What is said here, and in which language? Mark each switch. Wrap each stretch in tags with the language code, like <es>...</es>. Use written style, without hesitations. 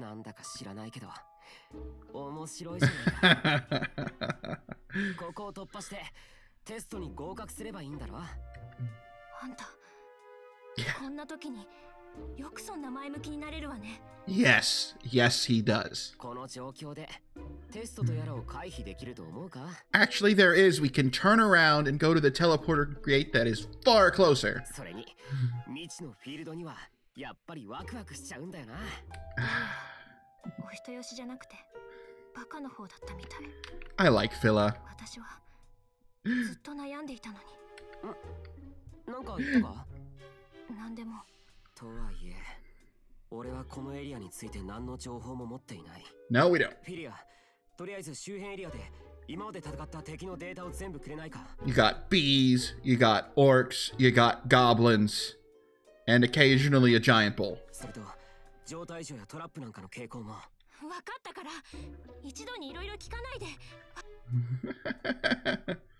<ja>なんだか知らないけど。面白いじゃないか。ここを突破してテストに合格すればいいんだろ。あんた、こんな時によくそんな前向きになれるわね。</ja> <en>Yes, yes he does.</en> <ja>この状況でテストとやらを回避できると思うか。</ja> <en>Actually there is, we can turn around and go to the teleporter gate that is far closer.</en> <ja>それに未知のフィールドにはやっぱりワクワクしちゃうんだよな。お人よしじゃなくてバカの方だったみたい。</ja> <en>I like Phila.</en> <ja>私はずっと悩んでいたのに。なんか言ったか。何でもとはいえ俺はこのエリアについて何の情報も持っていない。</ja> <en>No we don't.</en> <ja>フィリア、とりあえず周辺エリアで今まで戦った敵のデータを全部くれないか。</ja> <en>You got bees, you got orcs, you got goblins, and occasionally a giant bull.</en> <ja>それと状態異常やトラップなんかの傾向も。わかったから、一度にいろいろ聞かないで。</ja>